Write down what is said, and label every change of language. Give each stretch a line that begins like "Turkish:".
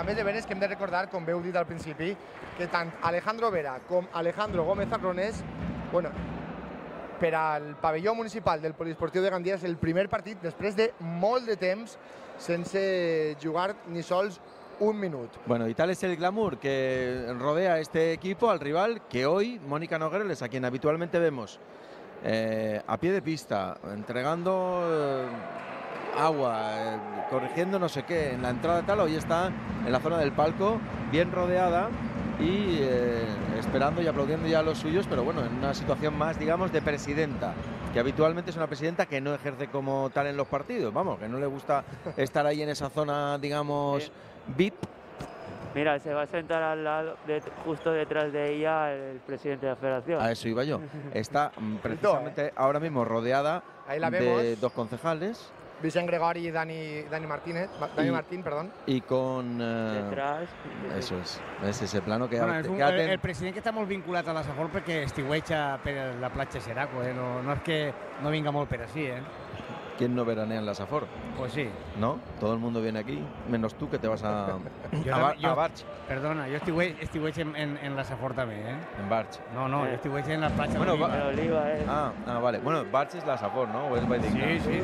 Catalan: També de veres que hem de recordar, com bé heu dit al principi, que tant Alejandro Vera com Alejandro Gómez Arrones, bueno, per al pavelló municipal del Poliesportiu de Gandia és el primer partit després de molt de temps sense jugar ni sols un minut.
Spanish: Bueno,
Catalan: i tal és el glamour que
Spanish: rodea este equipo al rival, que hoy Mónica Nogueres, a quien habitualmente vemos a pie de pista, entregando agua, corrigiendo no sé qué en la entrada tal, hoy está en la zona del palco, bien rodeada y esperando y aplaudiendo ya a los suyos, pero bueno, en una situación más, digamos, de presidenta, que habitualmente es una presidenta que no ejerce como tal en los partidos, vamos, que no le gusta estar ahí en esa zona, digamos, VIP. Mira, se va a sentar al lado, justo detrás de ella, el presidente de la federación. A eso iba yo. Está precisamente ahora mismo rodeada de dos concejales. Vicent Gregori i Dani Martínez, Dani Martín, perdón. I con... Detrás. Eso es. Es ese plano que...
Catalan: El president que està molt vinculat a la Safor perquè estigueja per la platja Xeraco, no és que no vinga molt per així,
Spanish: ¿Quién no veranea en la Safor? Pues sí. ¿No? Todo el mundo viene aquí, menos tú que te vas a Barch. Perdona, yo estuve en la Safor también, En Barch. No, yo estuve en la Plaza de Oliva, Vale. Bueno, Barch es la Safor, ¿no? Sí, sí.